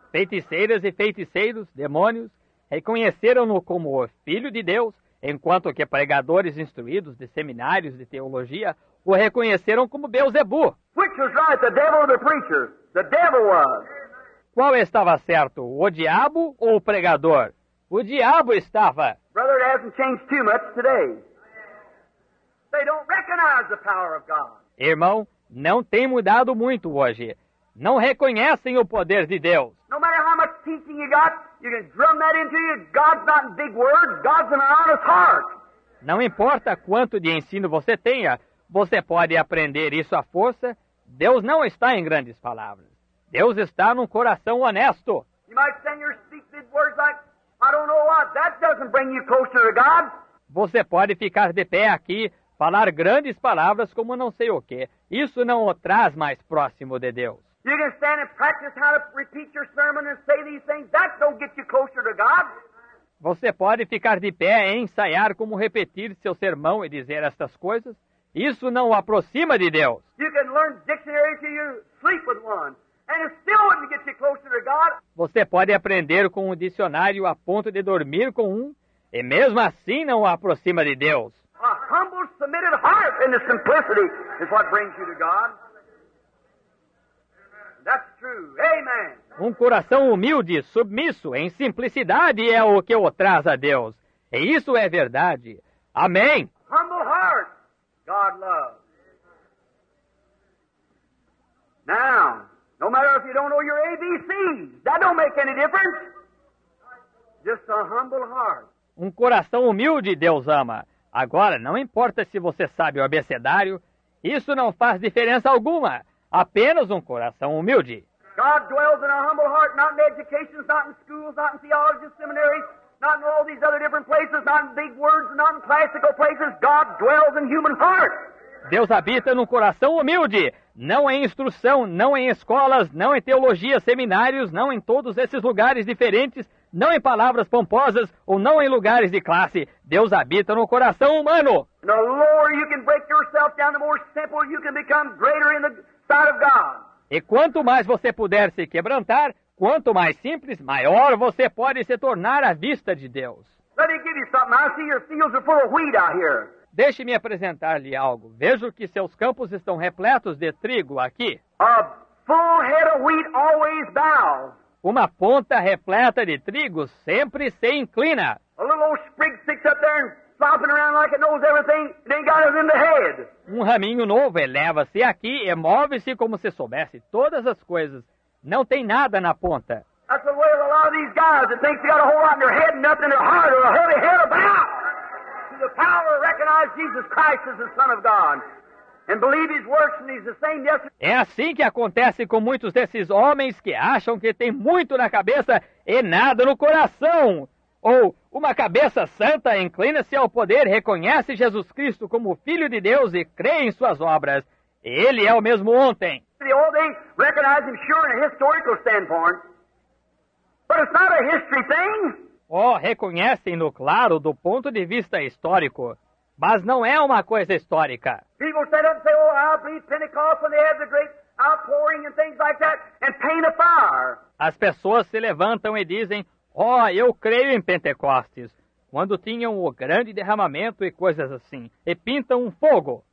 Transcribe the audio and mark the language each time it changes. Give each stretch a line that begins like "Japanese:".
Portuguese: Feiticeiras e feiticeiros, demônios, reconheceram-no como o Filho de Deus, enquanto que pregadores instruídos de seminários de teologia o reconheceram como Beelzebu.
English: Which was right, the devil or the preacher? The devil was.
Portuguese: Qual estava certo, o diabo ou o pregador? O diabo estava.
English: Brother, it hasn't changed too much today. They don't recognize the power of God.
Portuguese: Irmão, não tem mudado muito hoje. Não reconhecem o poder de Deus.
English: No matter how much teaching you got, you can drum that into you. God's not in big words. God's in an honest heart.
Portuguese: Não importa quanto de ensino você tenha, você pode aprender isso à força. Deus não está em grandes palavras. Deus está num coração honesto.
English: You might say you speak big words like, I don't know what. That doesn't bring you closer to God.
Portuguese: Você pode ficar de pé aqui, falar grandes palavras como não sei o quê. Isso não o traz mais próximo de Deus.
English: You can stand and practice how to repeat your sermon and say these things. That don't get you closer to God.
Portuguese: Você pode ficar de pé e ensaiar como repetir seu sermão e dizer estas coisas. Isso não o aproxima de Deus.
English: You can learn dictionary until you sleep with one. And it still wouldn't get you closer to God.
Portuguese: Você pode aprender com um dicionário a ponto de dormir com um. E mesmo assim não o aproxima de Deus.
English: A humble, submitted heart and the simplicity is what brings you to God. That's true. Amen.
Portuguese: Um coração humilde, submisso, em simplicidade é o que o traz a Deus. E isso é verdade. Amém.
English: Humble heart, God loves. Now, no matter if you don't know your ABCs, that don't make any difference. Just a humble heart.
Portuguese: Um coração humilde, Deus ama. Agora, não importa se você sabe o abecedário, isso não faz diferença alguma. Apenas um coração humilde.
English: God dwells in a humble heart, not in educations, not in schools, not in theology seminaries, not in all these other different places, not in big words, not in classical places. God dwells in human heart.
Portuguese: Deus habita num coração humilde, não em instrução, não em escolas, não em teologia, seminários, não em todos esses lugares diferentes. Não em palavras pomposas ou não em lugares de classe. Deus habita no coração humano.
English: The lower you can break yourself down, the more simple you can become greater in the sight of God.
Portuguese: E quanto mais você puder se quebrantar, quanto mais simples, maior você pode se tornar à vista de Deus.
English: Let me give you something. I see your fields are full of wheat out here.
Portuguese: Deixe-me apresentar-lhe algo. Vejo que seus campos estão repletos de trigo aqui.
English: A full head of wheat always bows.
Portuguese: Uma ponta repleta de trigo sempre se inclina.
English: A little old sprig sticks up there and flopping around like it knows everything. It ain't got it in the head.
Portuguese: Um raminho novo eleva-se aqui e move-se como se soubesse todas as coisas. Não tem nada na ponta.
English: That's the way of a lot of these guys that think they got a whole lot in their head and nothing in their heart or a heavy head about. To the power to recognize Jesus Christ as the Son of God. And believe his works and he's the same yesterday.
Portuguese: É assim que acontece com muitos desses homens que acham que tem muito na cabeça e nada no coração. Ou uma cabeça santa inclina-se ao poder, reconhece Jesus Cristo como Filho de Deus e crê em suas obras. Ele é o mesmo ontem.
English: They recognize him sure in a historical standpoint. But it's not a history thing.
Portuguese: Oh, reconhecem-no, claro, do ponto de vista histórico. Mas não é uma coisa histórica.
English: People stand up and say, oh, I'll be Pentecost when they have the great outpouring and things like that and paint a fire.
Portuguese: As pessoas se levantam e dizem, oh, eu creio em Pentecostes, quando tinham o grande derramamento e coisas assim, e pintam um fogo.